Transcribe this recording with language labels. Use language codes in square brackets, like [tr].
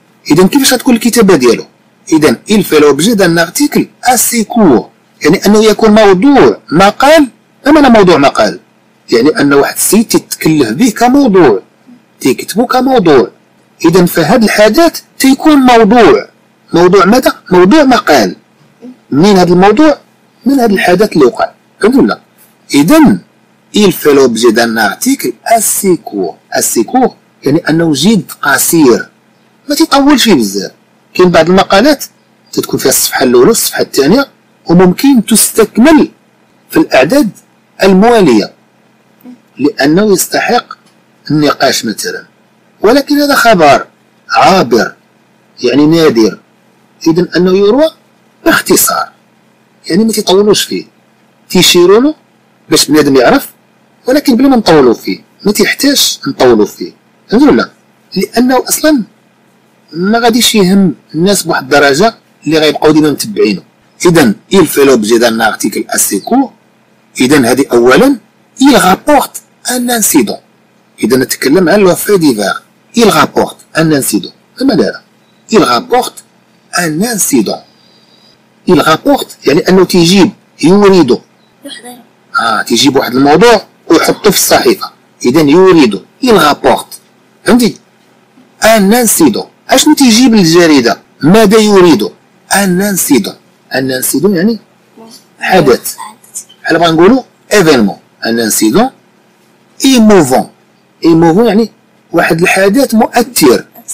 [ar] اذا كيفاش غتكون الكتابه ديالو؟ اذا [fr] il fait l'objet d'un article assez court، [ar] يعني انه يكون موضوع مقال. ما معنى موضوع مقال؟ يعني ان واحد السيد تكلف به كموضوع، تكتبو كموضوع. اذا فهاد الحدث تيكون موضوع، موضوع ماذا؟ موضوع مقال. من هذا الموضوع؟ من هذا الحدث اللي وقع. قلنا اذا [fr] il fait l'objet d'un article assez court. assez court [ar] يعني انه جد قصير، ما تيطولش فيه بزاف. كاين بعض المقالات تتكون فيها الصفحه الاولى والصفحه الثانيه، وممكن تستكمل في الاعداد المواليه لانه يستحق النقاش مثلا. ولكن هذا خبر عابر يعني نادر، اذا انه يروى باختصار، يعني ما تيطولوش فيه، تيشيروا له باش بنادم يعرف، ولكن بلا ما نطولوا فيه، ما تيحتاجش نطولوا فيه. فهمتوا ولا؟ لانه اصلا ما غاديش يهم الناس بواحد الدرجه اللي غيبقاو ديما متبعينه. [fr] اذا il fait l'objet d'un article assez court. [ar] اذا هذه اولا [fr] il rapporte un incident. [ar] اذا نتكلم على لو في ديفير. [fr] il rapporte un incident. [ar] ما دار؟ [fr] il rapporte un incident. il rapporte [ar] يعني انه تيجيب، يوريدو. تيجيب واحد الموضوع ويحطو في الصحيفه. اذا يوريدو. [fr] il rapporte. [ar] فهمتي؟ [fr] un incident. [ar] اشنو تيجيب الجريده؟ ماذا يريد؟ ان انسيدو. ان انسيدو يعني حدث، بحال بغا نقولو ايفينمون. ان انسيدو ايموفون. ايموفون يعني واحد الحدث مؤثر.